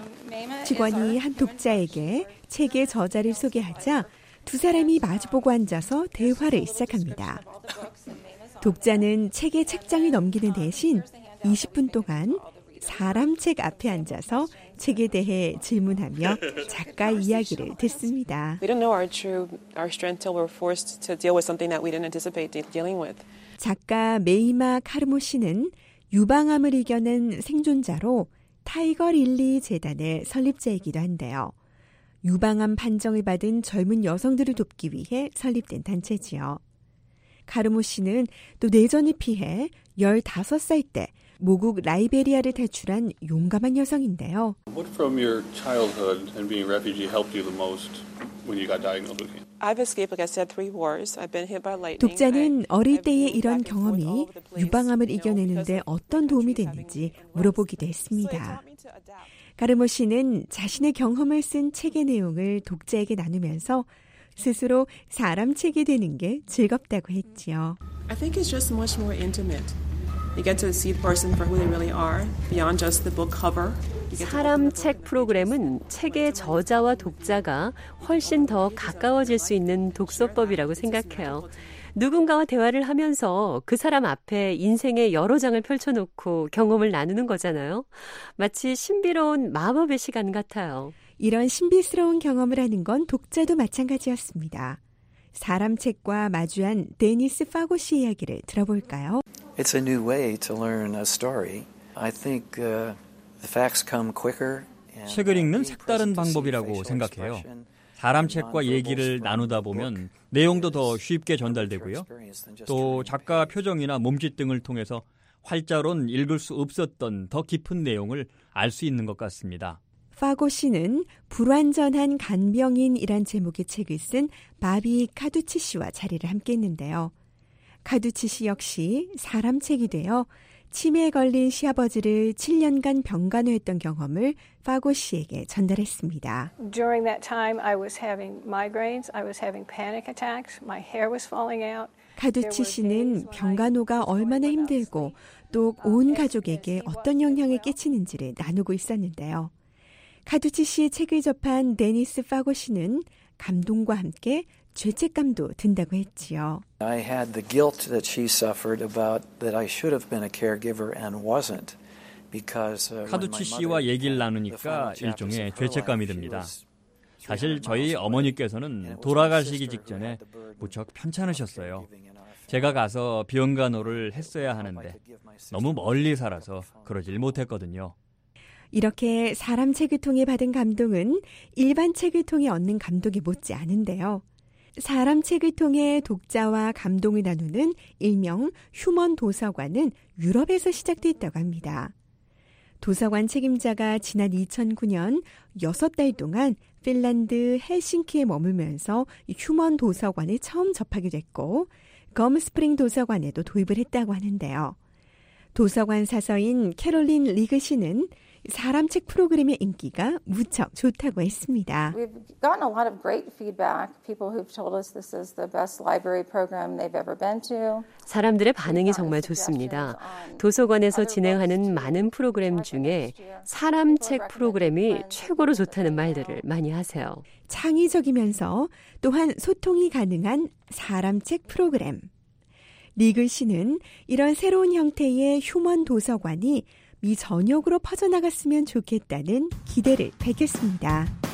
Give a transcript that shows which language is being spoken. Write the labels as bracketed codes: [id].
[ko] Mina 직원이 한 독자에게 책의 저자를 소개하자 두 사람이 마주보고 앉아서 대화를 시작합니다. 독자는 책의 책장을 넘기는 대신 20분 동안 사람 책 앞에 앉아서 책에 대해 질문하며 작가 이야기를 듣습니다. [en] We don't know our true our strength till we're forced to deal with something that we didn't anticipate dealing with. [ko] 작가 메이마 카르모 씨는 유방암을 이겨낸 생존자로 타이거 릴리 재단의 설립자이기도 한데요. 유방암 판정을 받은 젊은 여성들을 돕기 위해 설립된 단체지요. 카르모 씨는 또 내전을 피해 15살 때 모국 라이베리아를 탈출한 용감한 여성인데요. [en] What from your childhood and being a refugee helped you the most when you got diagnosed with cancer? I've escaped, like I said, three wars. I've been hit by lightning. [ko] 독자는 어릴 때의 이런 경험이 유방암을 이겨내는데 어떤 도움이 됐는지 물어보기도 했습니다. 카르모 씨는 자신의 경험을 쓴 책의 내용을 독자에게 나누면서 스스로 사람 책이 되는 게 즐겁다고 했지요. [en] I think it's just much more intimate. You get to see the person for who they really are beyond just the book cover. [ko] 사람 책 프로그램은 책의 저자와 독자가 훨씬 더 가까워질 수 있는 독서법이라고 생각해요. 누군가와 대화를 하면서 그 사람 앞에 인생의 여러 장을 펼쳐놓고 경험을 나누는 거잖아요. 마치 신비로운 마법의 시간 같아요. 이런 신비스러운 경험을 하는 건 독자도 마찬가지였습니다. 사람 책과 마주한 데니스 파고 씨 이야기를 들어볼까요? [en] It's a new way to learn a story. I think... The facts come quicker. [ko] 책을 읽는 색다른 방법이라고 생각해요. 사람 책과 얘기를 나누다 보면 내용도 더 쉽게 전달되고요. 또 작가 표정이나 몸짓 등을 통해서 활자론 읽을 수 없었던 더 깊은 내용을 알 수 있는 것 같습니다. 파고 씨는 불완전한 간병인이란 제목의 책을 쓴 바비 카두치 씨와 자리를 함께했는데요. 카두치 씨 역시 사람 책이 되어 치매에 걸린 시아버지를 7년간 병간호했던 경험을 파고 씨에게 전달했습니다. [en] During that time, I was having migraines. I was having panic attacks. My hair was falling out. [ko] 카두치 씨는 병간호가 얼마나 힘들고 또 온 가족에게 어떤 영향을 끼치는지를 나누고 있었는데요. 카두치 씨의 책을 접한 데니스 파고 씨는 감동과 함께 죄책감도 든다고 했지요. [en] I had the guilt that she suffered about that I should have been a caregiver and wasn't because [ko] 카두치 씨와 얘기를 나누니까 일종의 죄책감이 듭니다. 사실 저희 어머니께서는 돌아가시기 직전에 무척 편찮으셨어요. 제가 가서 병간호를 했어야 하는데 너무 멀리 살아서 그러질 못했거든요. 이렇게 사람 책을 통해 받은 감동은 일반 책을 통해 얻는 감동이 못지 않은데요. 사람 책을 통해 독자와 감동을 나누는 일명 휴먼 도서관은 유럽에서 시작됐다고 합니다. 도서관 책임자가 지난 2009년 6달 동안 핀란드 헬싱키에 머물면서 휴먼 도서관을 처음 접하게 됐고 검 스프링 도서관에도 도입을 했다고 하는데요. 도서관 사서인 캐롤린 리그 씨는 사람 책 프로그램의 인기가 무척 좋다고 했습니다. [en] We've gotten a lot of great feedback. People who've told us this is the best library program they've ever been to. [ko] 사람들의 반응이 정말 좋습니다. 도서관에서 진행하는 많은 프로그램 중에 사람 책 프로그램이 최고로 좋다는 말들을 많이 하세요. 창의적이면서 또한 소통이 가능한 사람 책 프로그램. 리글 씨는 이런 새로운 형태의 휴먼 도서관이 미 전역으로 퍼져나갔으면 좋겠다는 기대를 밝혔습니다.